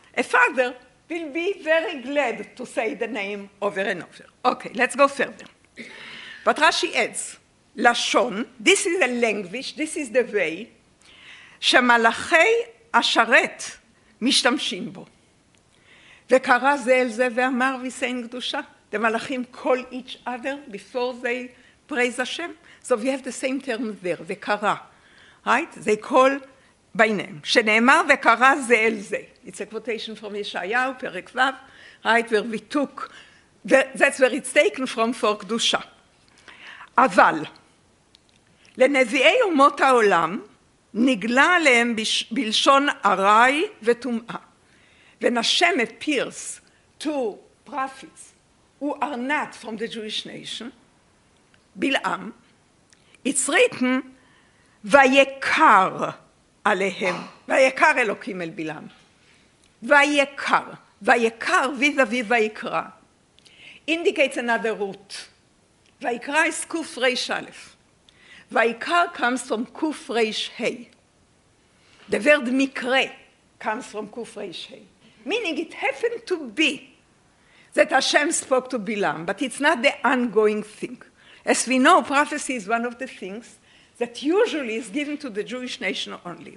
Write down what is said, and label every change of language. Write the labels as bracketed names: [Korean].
[English] A father will be very glad to say the name over and over. Okay, let's go further. But Rashi adds, Lashon, this is the language, this is the way, [Hebrew] שמלאכי השרת משתמשים בו. וקרא זה אל זה ואמר ויסיין קדושה. [English] The מלאכים call each other before they praise Hashem. So we have the same term there, וקרא. Right? They call by name. [Hebrew] שנאמר וקרא זה אל זה. [English] It's a quotation from [Hebrew] ישעיהו, פרק ו, right? [English] Where we took, that's where it's taken from for קדושה. [Hebrew] אבל, לנביאי אומות העולם, נגלה עליהם בלשון ארעי וטומאה. [English] When Hashem appears to prophets who are not from the Jewish nation, בלעם, it's written, [Hebrew] ויקר עליהם, ויקר אלוקים אל בלעם. ויקר, ויקר ויזווי ויקרא. [English] Indicates another root. [Hebrew] ויקרא is קוף ריש א'. ויקר [English] comes from [Hebrew] קוף ריש ה'. [English] The word mikre comes from kufrei shei, meaning it happened to be that Hashem spoke to Bilam, but it's not the ongoing thing. As we know, prophecy is one of the things that usually is given to the Jewish nation only.